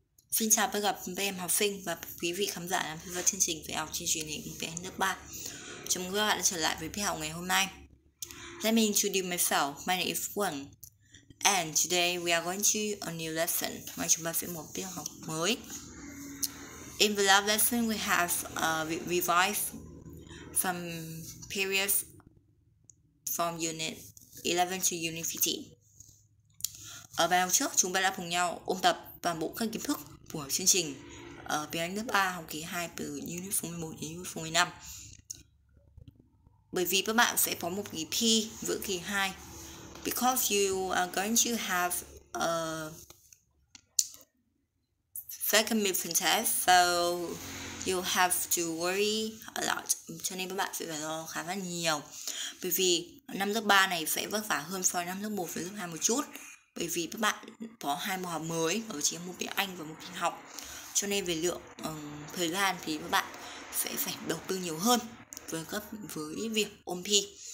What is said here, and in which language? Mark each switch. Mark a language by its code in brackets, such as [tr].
[vi] Xin chào tất cả các em học sinh và quý vị khán giả đang theo dõi chương trình về học trên truyền hình VN lớp 3. Chào mừng các bạn đã trở lại với buổi học ngày hôm nay. [en] Let me introduce myself. My name is Quân. And today we are going to a new lesson. [vi] Mà chúng ta sẽ một buổi học mới. [en] In the last lesson, we have revised some periods from Unit 11 to Unit 15. [vi] Ở bài học trước, chúng ta đã cùng nhau ôn tập toàn bộ các kiến thức của chương trình ở tiếng Anh lớp 3 học kỳ 2 từ Unit 11 đến Unit 15. Bởi vì các bạn sẽ có một kỳ thi giữa kỳ 2. [en] Because you are going to have a second midterm test, so you have to worry a lot. [vi] Cho nên các bạn sẽ phải lo khá là nhiều. Bởi vì năm lớp 3 này sẽ vất vả hơn so với năm lớp 1 và lớp 2 một chút. Bởi vì các bạn có hai môn học mới, đó chính là một tiếng Anh và một tiếng học. Cho nên về lượng thời gian thì các bạn sẽ phải đầu tư nhiều hơn với việc ôn thi.